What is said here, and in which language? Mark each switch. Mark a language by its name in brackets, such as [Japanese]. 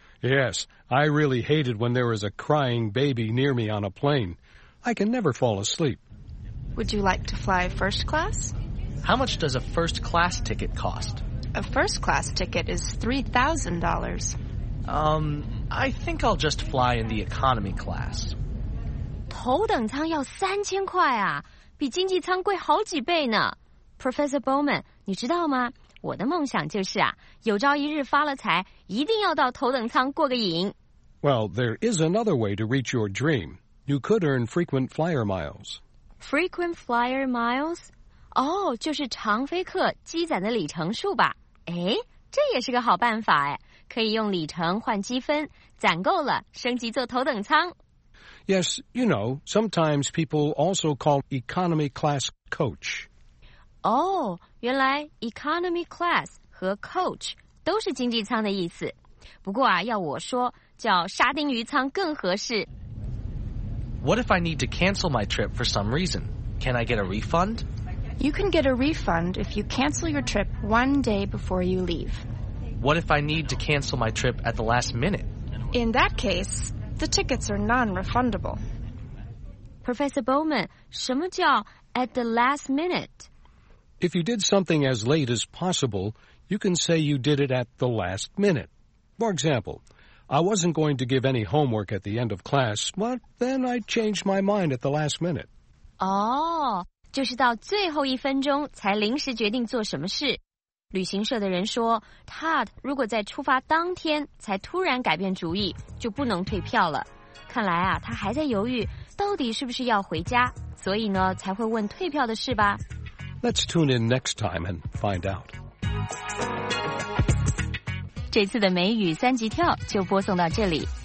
[English] Yes, I really hated when there was a crying baby near me on a plane. I can never fall asleep. Would you like to fly first class? How much does a first class ticket cost? A first class ticket is $3,000. I think I'll just fly in the economy class. [Chinese] 头等舱要3000块啊，比经济舱贵好几倍呢。 Professor Bowman, 你知道吗？我的梦想就是啊，有朝一日发了财，一定要到头等舱过个瘾。 [English] Well, there is another way to reach your dream. You could earn frequent flyer miles. Frequent flyer miles? [Chinese] 就是常飞客积攒的里程数吧。哎，这也是个好办法哎，可以用里程换积分，攒够了升级坐头等舱。 [English] Yes, you know, sometimes people also call economy class coach. [Chinese] Oh, 原来 economy class 和 coach 都是经济舱的意思。不过啊，要我说，叫沙丁鱼舱更合适。 [English] What if I need to cancel my trip for some reason? Can I get a refund? You can get a refund if you cancel your trip one day before you leave. What if I need to cancel my trip at the last minute? In that case... The tickets are non-refundable. [Chinese] Professor Bowman, 什么叫 [English] at the last minute? If you did something as late as possible, you can say you did it at the last minute. For example, I wasn't going to give any homework at the end of class, but then I changed my mind at the last minute. [Chinese] 就是到最后一分钟才临时决定做什么事。旅行社的人说 ，Todd 如果在出发当天才突然改变主意，就不能退票了。看来啊，他还在犹豫到底是不是要回家，所以呢才会问退票的事吧。 [English] Let's tune in next time and find out. [Chinese] 这次的美语三级跳就播送到这里。